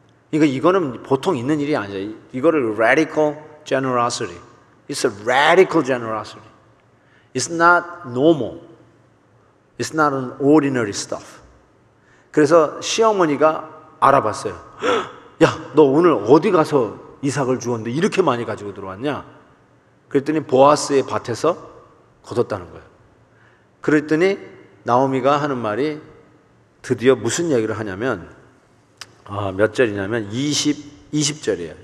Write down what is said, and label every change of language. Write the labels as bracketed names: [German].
[Korean] 그러니까 이거는 보통 있는 일이 아니에요. 이거를 [English] radical generosity. It's a radical generosity. It's not normal. It's not an ordinary stuff. [Korean] 그래서 시어머니가 알아봤어요. 야, 너 오늘 어디 가서 이삭을 주었는데 이렇게 많이 가지고 들어왔냐? 그랬더니 보아스의 밭에서 거뒀다는 거예요. 그랬더니 나오미가 하는 말이 드디어 무슨 얘기를 하냐면 몇 절이냐면 20절이에요.